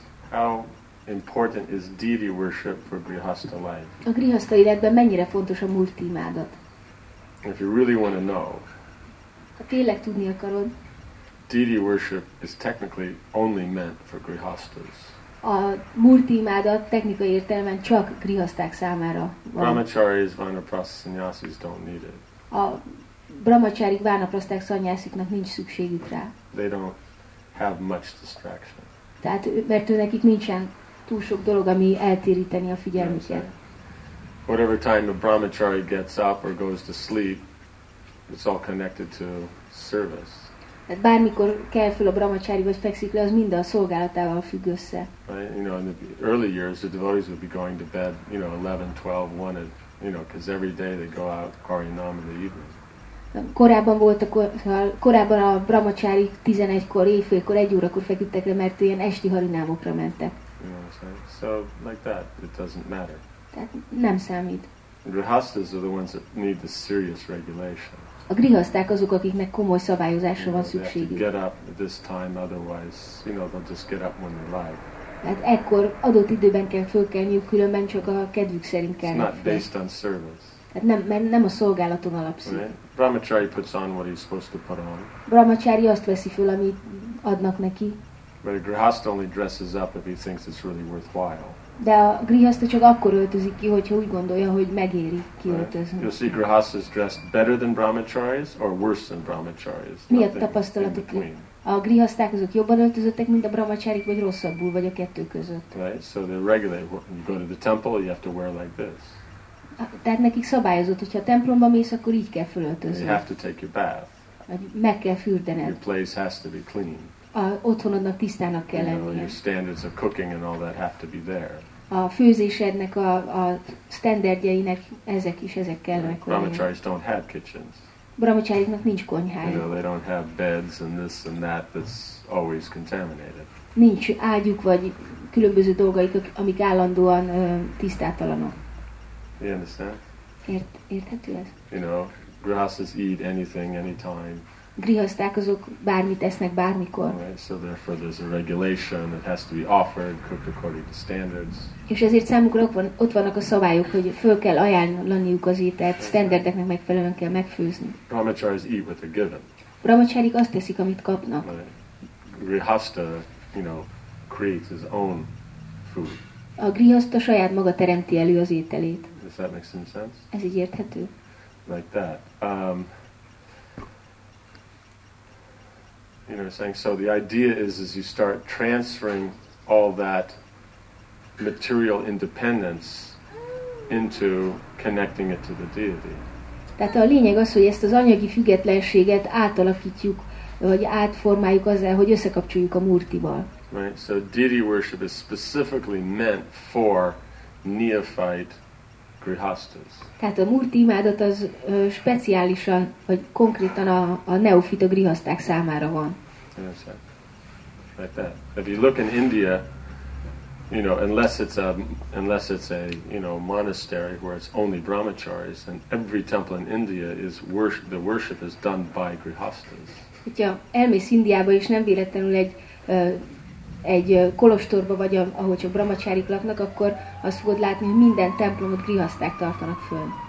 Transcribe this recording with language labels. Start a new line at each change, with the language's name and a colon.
English: How important is deity worship for grihastha life?
Hungarian: A grihastha életben mennyire fontos a murti imádat?
English: If you really want to know,
Hungarian: ha tényleg tudni akarod,
English: deity worship is technically only meant for grihasthas.
Hungarian: A murti imádat technikai értelemben csak grihaszták számára van.
English: Brahmacharis, vanaprasta, sannyasis don't need it.
Hungarian: A brahmacharik, vanaprasták, sannyasiknak nincs szükségük rá.
English: They don't have much distraction.
Hungarian: Tehát, mert őnekik nincsen túl sok dolog, ami eltéríteni a figyelmüket.
English: Whatever time a brahmachari gets up or goes to sleep, it's all connected to service.
Hungarian: Tehát bármikor kell fel a brahmachari, vagy fekszik le, az mind a szolgálatával függ össze.
English: Right? You know, in the early years, the devotees would be going to bed, you know, 11, 12, 1, you know, because every day they go out, Harinam in the evening.
Hungarian: Korábban volt korábban a brahmacsári 11-kor, éjfélkor, 1 órakor feküdtek le, mert ilyen esti harinámokra mentek.
English: So, like that, it doesn't matter.
Hungarian: Tehát nem számít.
English: Grihasthas are the ones that need the serious regulation.
Hungarian: A grihaszták azok, akiknek komoly szabályozásra van szükségük.
English: Get up this time, otherwise, you know, they'll just get up when they like.
Hungarian: Hát ekkor adott időben kell fölkelniük, különben csak a kedvük szerint kell.
English: It's not based on service.
Hungarian: Hát nem a szolgálaton alapszik.
English: Right? Brahmachari puts on what he's supposed to put on.
Hungarian: Brahmachari azt veszi föl, amit adnak neki.
English: But a grihaszta only dresses up if he thinks it's really worthwhile.
Hungarian: De a grihaszta csak akkor öltözik ki, hogyha úgy gondolja, hogy megéri kiöltözni.
English: Right. You see grihasthas dressed better than brahmacharis or worse than brahmacharis.
Hungarian: Mi a tapasztalatok? A grihaszták azok jobban öltözöttek, mint a brahmacharik, vagy rosszabbul, vagy a kettő között.
English: Right, so they regulate. When you go to the temple, you have to wear like this.
Hungarian: Tehát nekik szabályozott, hogyha templomba mész, akkor így kell fölöltözni.
English: You have to take your bath.
Hungarian: Meg kell fürdened.
English: Your place has to be clean.
Hungarian: A otthonodnak tisztának kell lennie.
English: Your standards of cooking and all that have to be there.
Hungarian: A főzésednek a standardjeinek ezek kellnek.
English: Brahmacharis don't have kitchens.
Hungarian: Brahmacháriknak nincs konyhája.
English: You know, they don't have beds and this and that that's always contaminated.
Hungarian: Nincs ágyuk vagy különböző dolgaik, amik állandóan tisztátalanok.
English: You understand?
Hungarian: Érthető ez?
English: You know, grihasthas eat anything, anytime.
Hungarian: Grihaszták azok bármit esznek bármikor.
English: Right, so therefore there's a regulation that has to be offered, cooked according to standards.
Hungarian: És ezért számukra ott vannak a szabályok, hogy föl kell ajánlaniuk az ételt, standardeknek megfelelően kell megfőzni.
English: Brahmacharis eat what they're given.
Hungarian: Brahmacharik azt teszik, amit kapnak.
English: Grihastha, you know, creates his own food.
Hungarian: A grihaszta saját maga teremti elő az ételét.
English: Does that make some sense?
Hungarian: Ez így érthető?
English: Like that. You know, saying so. The idea is, as you start transferring all that material independence into connecting it to the deity.
Hungarian: Tehát a lényeg az, hogy ezt az anyagi függetlenséget átalakítjuk, vagy átformáljuk azzal, hogy összekapcsoljuk a Murtival.
English: Right. So deity worship is specifically meant for neophyte grihasthas.
Hungarian: Tehát a Murti imádat az speciálisan, vagy konkrétan a neofita grihaszták számára van.
English: Like that. If you look in India, you know, unless it's a you know monastery where it's only brahmacharis, then every temple in India is worship. The worship is done by grihasthas.
Hungarian: Hogyha elmész Indiába és nem véletlenül egy kolostorba vagy ahol csak brahmacharik laknak, akkor azt fogod látni, hogy minden templomot grihaszták tartanak föl.